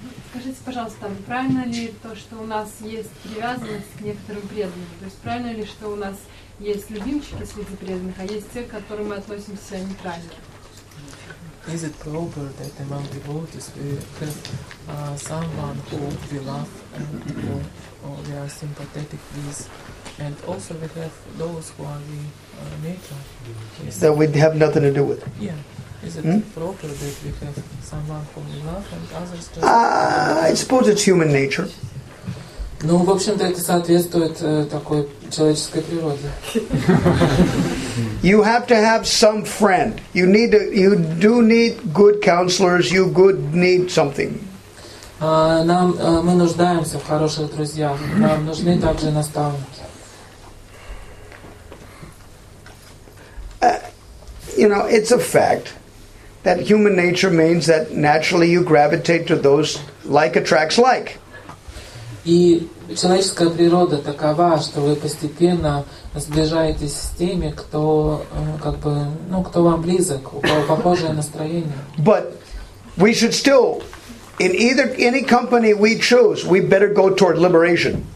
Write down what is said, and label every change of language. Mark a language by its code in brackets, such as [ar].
[ru] Скажите, пожалуйста, правильно ли то, что у нас есть привязанность к некоторым преданным? То есть правильно ли, что у нас есть любимчики среди преданных, а есть те, к которым мы относимся неправильно? [en] Is it proper that among devotees we have someone who we love and who we are sympathetic with, and also we have those who are the nature? That we have nothing to do with? Yeah. Is it proper that we have someone who we love and others just... I suppose it's human nature. [ru] Ну, в общем-то, это соответствует такой человеческой природе. [en] You have to have some friend. You need to, you do need good counselors. You good need something. [ru] Нам мы нуждаемся в хороших друзьях. Нам нужны также наставники. [en] You know, it's a fact that human nature means that naturally you gravitate to those like attracts like. [ru] И человеческая природа такова, что вы постепенно сближаетесь с теми, кто как бы, ну, кто вам близок, у кого похожее настроение. [en] But we should still, in either any company we choose, we better go toward liberation.